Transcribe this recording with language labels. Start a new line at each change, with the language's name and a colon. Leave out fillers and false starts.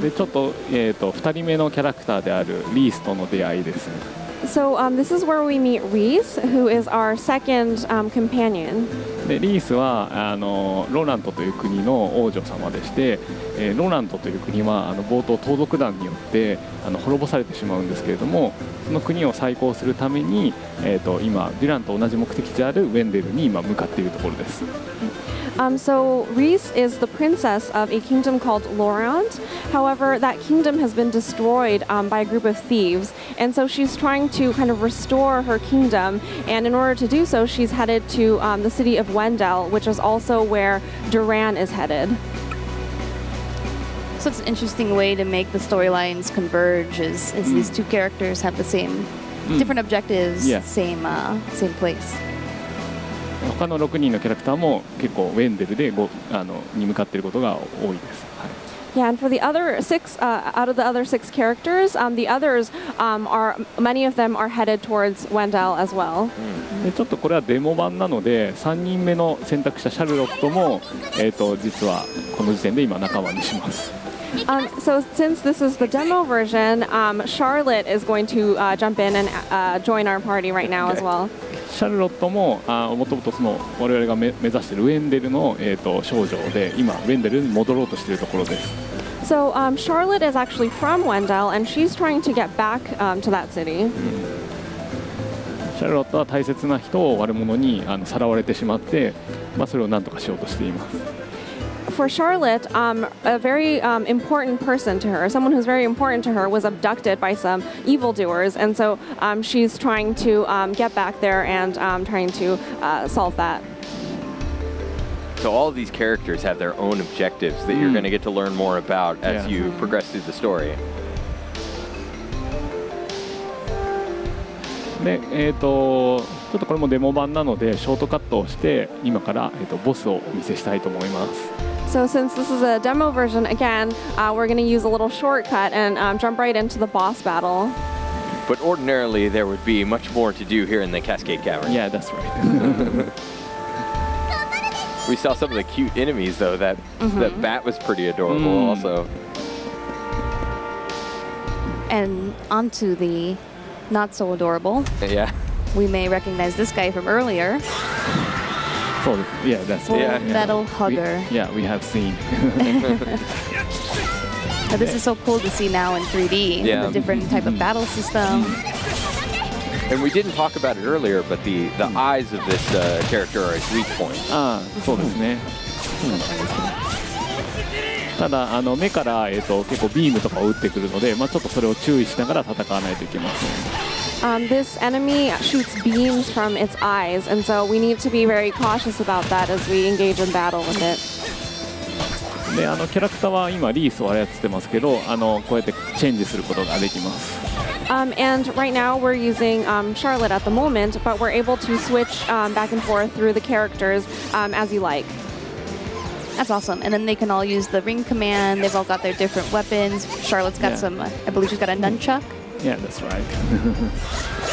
Japanese: で、ちょっと、2人目のキャラクターであるリースとの出会いです。
English: So this is where we meet Reese, who is our second companion.
Japanese: で、リースはロラントという国の王女様でして、ロラントという国は冒頭盗賊団によって滅ぼされてしまうんですけれども、その国を再興するために、今デュランと同じ目的地であるウェンデルに今向かっているところです。
English: So Reese is the princess of a kingdom called Laurent. However, that kingdom has been destroyed by a group of thieves, and so she's trying to kind of restore her kingdom. And in order to do so, she's headed to the city of Wendell, which is also where Duran is headed. So it's an interesting way to make the storylines converge, is these two characters have the same different objectives, same place.
Japanese: 他の6人のキャラクターも結構ウェンデルでごあのに向かっていることが多いです、
English: はい、Yeah, and for the other six, out of the other six characters, the others, are, many of them are headed towards Wendell as well.
Japanese: ちょっとこれはデモ版なので3人目の選択したシャルロットも、実はこの時点で今仲間にします。
English: So since this is the demo version, Charlotte is going to jump in and join our party right now as well.
Japanese: シャルロットも、もともとその我々が目指しているウェンデルの、少女で今ウェンデルに戻ろうとしているところです。
English: So Charlotte is actually from Wendell and she's trying to get back to that city.
Japanese: シャルロットは大切な人を悪者にさらわれてしまって、まあ、それを何とかしようとしています。
English: For Charlotte, a very important person to her, someone who's very important to her, was abducted by some evildoers, and so she's trying to get back there and trying to solve that. So all of these characters have their own objectives that you're going to get to learn more about as you progress through the story.
Japanese: で、ちょっとこれもデモ版なのでショートカットをして今から、ボスをお見せしたいと思います。
English: So since this is a demo version again, we're going to use a little shortcut and jump right into the boss battle. But ordinarily there would be much more to do here in the Cascade Cavern. Yeah, that's right. We saw some of the cute enemies though. That, that bat was pretty adorable also. And onto the not so adorable. Yeah. We may recognize this guy from earlier. Full, yeah, that's Full Metal Hugger. Yeah, we have seen. But this is so cool to see now in 3D, yeah. The different type of battle system. And we didn't talk about it earlier, but the eyes of this character are a weak point.
Japanese: Ah, そうですね。ただ目から結構ビームとかを打ってくるので、まあちょっとそれを注意しながら戦わないといけません。
English: This enemy shoots beams from its eyes, and so we need to be very cautious about that as we engage in battle with it.
Japanese: で、キャラクターは今リースを操ってますけど、こうやってチェンジすることができます。
English: And right now we're using Charlotte at the moment, but we're able to switch back and forth through the characters as you like. That's awesome. And then they can all use the ring command. They've all got their different weapons. Charlotte's got some, I believe she's got a nunchuck. Yeah, that's right.